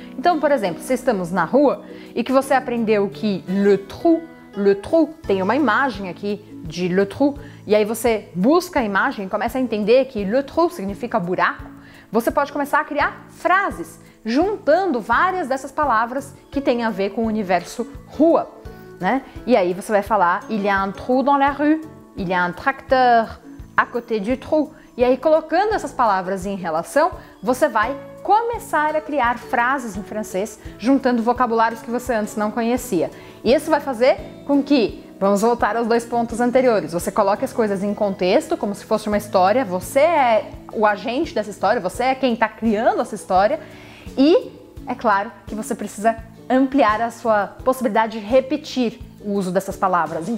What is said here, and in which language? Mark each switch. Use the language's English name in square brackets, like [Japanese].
[Portuguese] Então, por exemplo, se estamos na rua e que você aprendeu que le trou, tem uma imagem aqui de le trou, e aí você busca a imagem e começa a entender que le trou significa buraco, você pode começar a criar frases juntando várias dessas palavras que têm a ver com o universo rua. né? E aí você vai falar: [French] il y a un trou dans la rue, il y a un tracteur à côté du trou. [Portuguese] E aí, colocando essas palavras em relação, você vai começar a criar frases em francês, juntando vocabulários que você antes não conhecia. Isso vai fazer com que, vamos voltar aos dois pontos anteriores, você coloque as coisas em contexto, como se fosse uma história, você é o agente dessa história, você é quem está criando essa história, e é claro que você precisa ampliar a sua possibilidade de repetir o uso dessas palavras.